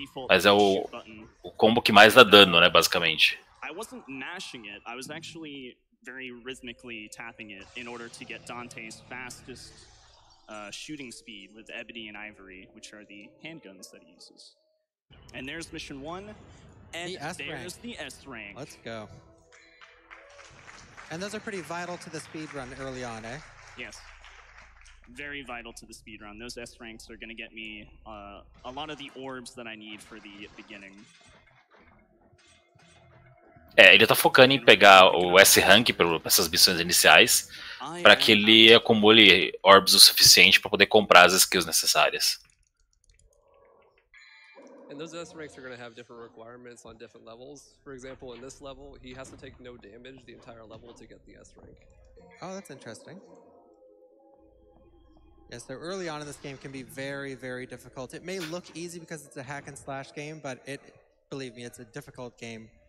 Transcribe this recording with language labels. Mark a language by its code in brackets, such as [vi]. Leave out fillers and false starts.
[pt] Mas é o combo que mais dá dano, né, basicamente. [en] I wasn't mashing it. I was actually very rhythmically tapping it in order to get Dante's fastest shooting speed with Ebony and Ivory, which are the handguns that he uses. And there's mission one, and the S there's rank. The S rank. Let's go. And those are pretty vital to the speedrun early on, eh? Yes. Very vital to the speedrun. Those S ranks are going to get me a lot of the orbs that I need for the beginning. [pt] É, ele tá focando em pegar o S rank para essas missões iniciais, para que ele acumule orbs o suficiente para poder comprar as skills necessárias. [en] And those S ranks are going to have different requirements on different levels. For example, in this level, he has to take no damage the entire level to get the S rank. Oh, that's interesting. Yes, yeah, so early on in this game can be very, very difficult. It may look easy because it's a hack and slash game, but it, believe me, it's a difficult game.